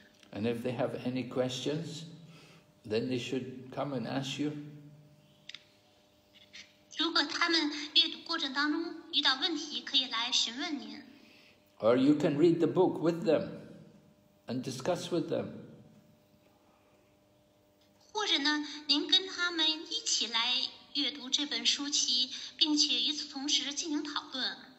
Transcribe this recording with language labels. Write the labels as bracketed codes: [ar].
[en] And if they have any questions, then they should come and ask you. [zh] 如果他们阅读过程当中遇到问题, 可以来询问您。 [en] Or you can read the book with them and discuss with them. [zh] 或者呢, 您跟他们一起来阅读这本书籍, 并且与此同时进行讨论。